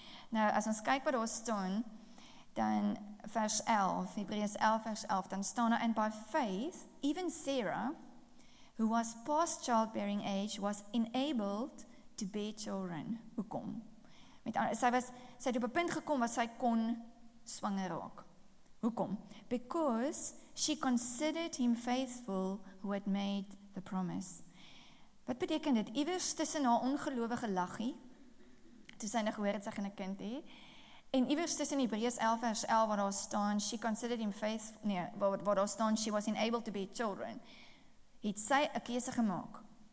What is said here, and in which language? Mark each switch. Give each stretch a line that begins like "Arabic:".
Afrikaans: Nou as ons kyk wat daar staan, dan vers 11, Hebreërs 11 vers 11, dan staan daar,
English: and by faith even Sarah who was past childbearing age was enabled to bear children.
Afrikaans: Hoekom? Met ander, sy het op 'n punt gekom waar sy kon swanger raak. Hoekom?
English: Because she considered him faithful who had made the promise.
Afrikaans: Wat beteken dit? Iewers tussen haar ongelowige laggie, toe sy nou gehoor het sy gaan 'n kind hê, en iewers tussen Hebreërs 11 vers 11 waar daar staan,
English: she considered him faithful,
Afrikaans: nee, waar daar staan,
English: she was unable to bear children,
Afrikaans: het sy 'n keuse gemaak.